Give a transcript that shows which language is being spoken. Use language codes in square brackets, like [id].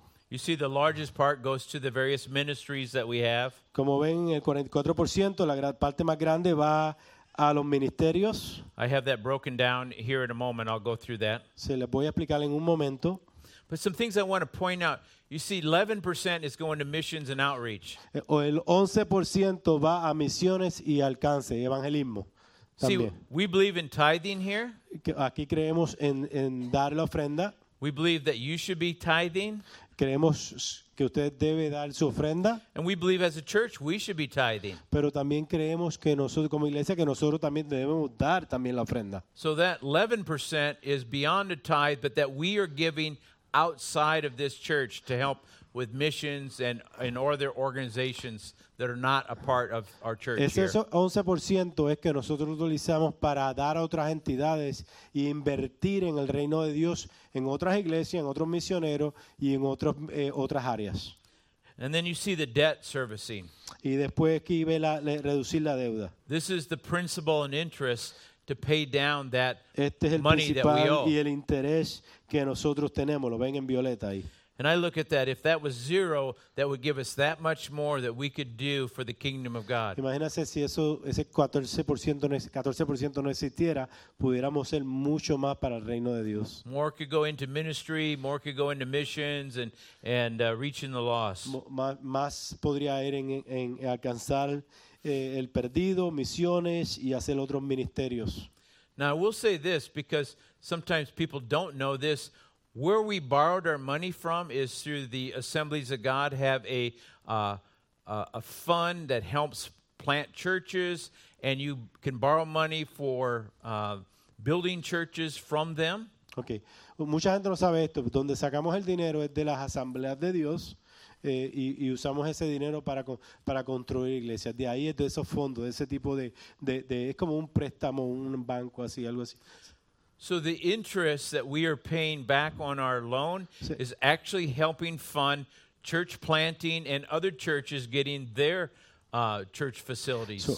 [en] You see, the largest part goes to the various ministries that we have. [es] Como ven, el 44% la parte más grande va a los ministerios. [en] I have that broken down here in a moment. I'll go through that. [es] Se les voy a explicar en un momento. [en] But some things I want to point out. You see, 11% is going to missions and outreach. [es] O el 11% va a misiones y alcance, evangelismo. [en] También. See, we believe in tithing here. [es] Aquí creemos en dar la ofrenda. [en] We believe that you should be tithing. [es] Creemos que usted debe dar su ofrenda. [en] And we believe as a church we should be tithing. [es] Pero también creemos que nosotros como iglesia que nosotros también debemos dar también la ofrenda. [en] So that 11% is beyond a tithe, but that we are giving outside of this church to help with missions and other organizations that are not a part of our church. [es] Ese 11% es que nosotros utilizamos para dar a otras entidades y invertir en el reino de Dios en otras iglesias, en otros misioneros y en otros otras áreas. [en] And then you see the debt servicing. [es] Y después aquí ve la reducir la deuda. [en] This is the principal and interest to pay down that money that we owe. [es] Este es el principal y el interés que nosotros tenemos, lo ven en violeta ahí. [en] And I look at that, if that was zero, that would give us that much more that we could do for the kingdom of God. [es] Imagínense si eso, ese 14% no existiera, pudiéramos ser mucho más para el reino de Dios. [en] More could go into ministry, more could go into missions and reaching the lost. [es] Más podría ir en alcanzar el perdido, misiones y hacer otros ministerios. [en] Now I will say this because sometimes people don't know this. Where we borrowed our money from is through the Assemblies of God have a fund that helps plant churches, and you can borrow money for building churches from them. [es] Okay. Well, mucha gente no sabe esto. Donde sacamos el dinero es de las Asambleas de Dios, y usamos ese dinero para construir iglesias. De ahí es de esos fondos, de ese tipo de es como un préstamo, un banco así, algo así. [en] So the interest that we are paying back on our loan is actually helping fund church planting and other churches getting their church facilities.